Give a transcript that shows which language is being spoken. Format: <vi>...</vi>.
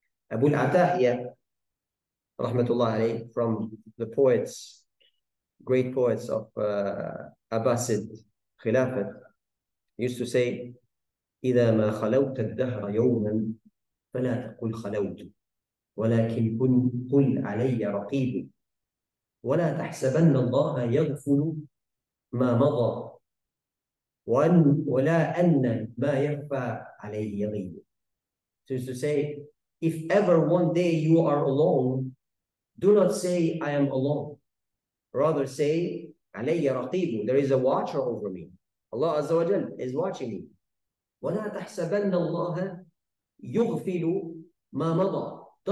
<en>Abu al-Atahiyya, rahmatullah alayhi, from the poets, great poets of Abbasid Khilafat, used to say,</en> <ar>إِذَا مَا خَلَوْتَ الدَّهْرَ يَوْمًا فَلَا تَقُلْ خَلَوْتُ وَلَكِنْ قُلْ عَلَيَّ رَقِيبٌ. ولا تحسبن الله يغفل ما مضى ولا أن ما يخفى عليه يغيب.</ar> <en>So to say, if ever one day you are alone, do not say, I am alone. Rather say,</en> <ar>علي رقيب,</ar> <en>there is a watcher over me. Allah Azza wa Jal is watching me.</en> <ar>وَلَا تَحْسَبَنَّ اللَّهَ يُغْفِلُ مَا مَضَى.</ar>